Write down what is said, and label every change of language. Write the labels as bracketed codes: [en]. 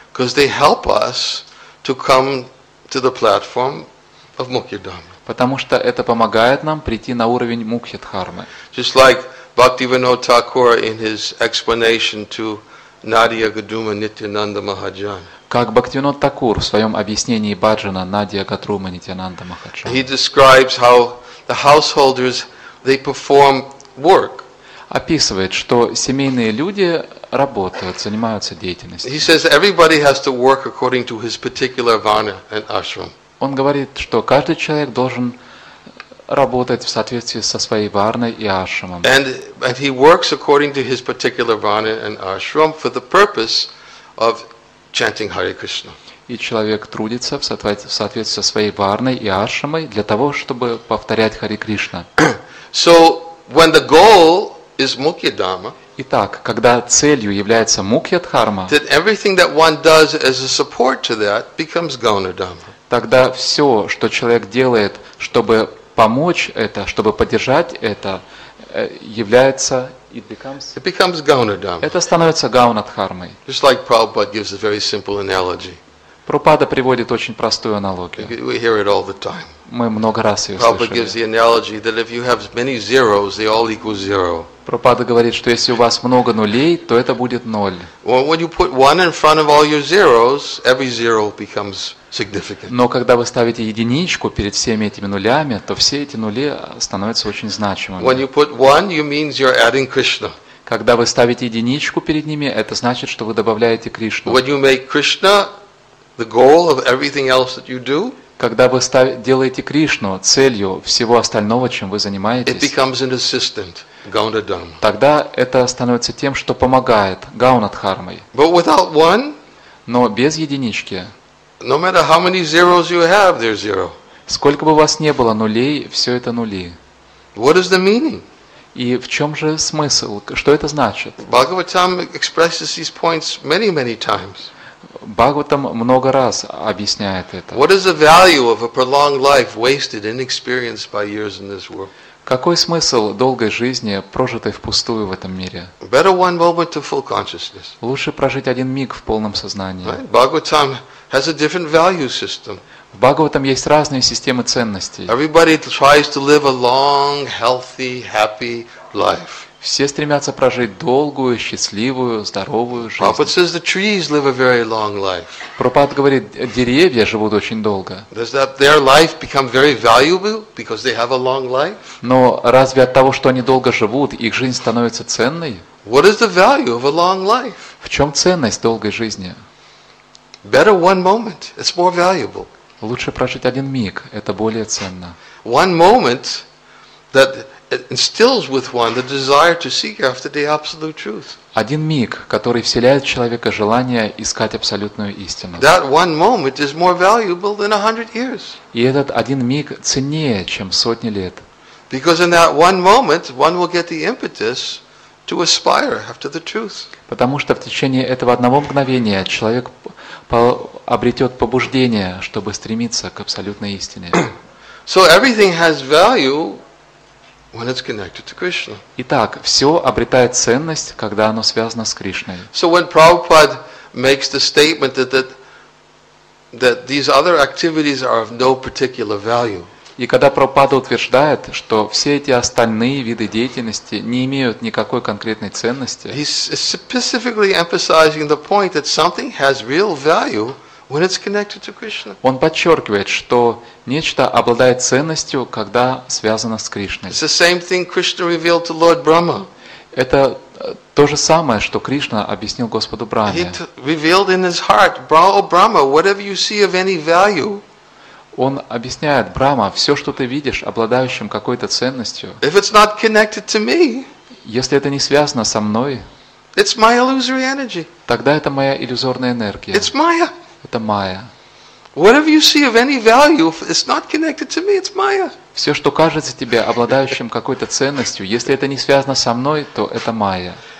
[en] Because they help us to come to the platform of мукья-дхарма. [ru] Потому что это помогает нам прийти на уровень мукья-дхармы. [en] Just like Bhaktivinoda Thakura in his explanation to Nadia Gaduma Nityananda Mahajan. [ru] Как Бхактивинод Такур в своем объяснении Баджана Надия Гатрума Нитянанда Махаджан. [en] He describes how the householders they perform work. [ru] Описывает, что семейные люди работают, занимаются деятельностью. [en] He says everybody has to work according to his particular vana and ashram. [ru] Он говорит, что каждый человек должен работать в соответствии со своей варной и ашрамом. [en] And he works according to his particular vana and ashram for the purpose of chanting Hare Krishna. [ru] И человек трудится в соответствии со своей варной и ашрамой для того, чтобы повторять Хари Кришна. [en] So when the goal is мукья-дхарма. [ru] Итак, когда целью является мукья-дхарма. [en] Then everything that one does as a support to that becomes гауна-дхарма. [ru] Тогда все, что человек делает, чтобы помочь это, чтобы поддержать это, является [en] It becomes гауна-дхарма. [ru] Это становится гауна-дхармой. [en] Just like Prabhupada gives a very simple analogy. [ru] Прабхупада приводит очень простую аналогию. [en] We hear it all the time. [ru] Мы много раз ее слышали. [en] Prabhupada gives the analogy that if you have many zeros, they all equal zero. [ru] Прабхупада говорит, что если у вас много нулей, то это будет ноль. [en] Well, when you put one in front of all your zeros, every zero becomes significant. [ru] Но когда вы ставите единичку перед всеми этими нулями, то все эти нули становятся очень значимыми. [en] When you put one, you means you're adding Krishna. [ru] Когда вы ставите единичку перед ними, это значит, что вы добавляете Кришну. [en] When you make Krishna the goal of everything else that you do, [ru] когда вы делаете Кришну целью всего остального, чем вы занимаетесь, [en] it becomes an assistant, гауна-дхарма. [ru] Тогда это становится тем, что помогает гауна-дхармой. [en] But without one, [ru] но без единички, [en] no matter how many zeros you have, they're zero. [ru] Сколько бы у вас не было нулей, все это нули. [en] What is the meaning? [ru] И в чем же смысл? Что это значит? [en] Bhagavatam expresses these points many, many times. [ru] Бхагаватам много раз объясняет это. [en] What is the value of a prolonged life wasted inexperienced by years in this world? [ru] Какой смысл долгой жизни, прожитой впустую в этом мире? [en] Better one moment to full consciousness. [ru] Лучше прожить один миг в полном сознании. [en] Bhagavatam has a different value system. [ru] В Бхагаватам есть разные системы ценностей. [en] Everybody tries to live a long, healthy, happy life. [ru] Все стремятся прожить долгую, счастливую, здоровую жизнь. [en] Prabhupada says the trees live a very long life. [ru] Прабхупада говорит, деревья живут очень долго. [en] Does that their life become very valuable because they have a long life? [ru] Но разве от того, что они долго живут, их жизнь становится ценной? [en] What is the value of a long life? [ru] В чем ценность долгой жизни? [en] Better one moment, it's more valuable. [ru] Лучше прожить один миг, это более ценно. [en] One moment that it instills with one the desire to seek after the absolute truth. [ru] Один миг, который вселяет в человека желание искать абсолютную истину. [en] That one moment is more valuable than 100 years. [ru] И этот один миг ценнее, чем сотни лет. [en] Because in that one moment one will get the impetus to aspire after the truth. [ru] Потому что в течение этого одного мгновения человек обретет побуждение, чтобы стремиться к абсолютной истине. [en] So everything has value when it's connected to Krishna. [ru] Итак, все обретает ценность, когда оно связано с Кришной. [en] So when Prabhupada makes the statement that these other activities are of no particular value. [ru] И когда Прабхупада утверждает, что все эти остальные виды деятельности не имеют никакой конкретной ценности, [en] he's specifically emphasizing the point that something has real value When it's connected to Krishna. [ru] Он подчеркивает, что нечто обладает ценностью, когда связано с Кришной. [en] It's the same thing Krishna revealed to Lord Brahma. [ru] Это то же самое, что Кришна объяснил Господу Брахме. [en] He revealed in his heart, Brahma, whatever you see of any value. [ru] Он объясняет, Брахма, все, что ты видишь, обладающим какой-то ценностью. [en] If it's not connected to me. [ru] Если это не связано со мной. [en] It's my illusory energy. [ru] Тогда это моя иллюзорная энергия. [en] It's Maya. [ru] Это Майя. [en] Whatever you see of any value, it's not connected to me. It's Maya. [ru] Все, что кажется тебе обладающим какой-то ценностью, если это не связано со мной, то это Майя.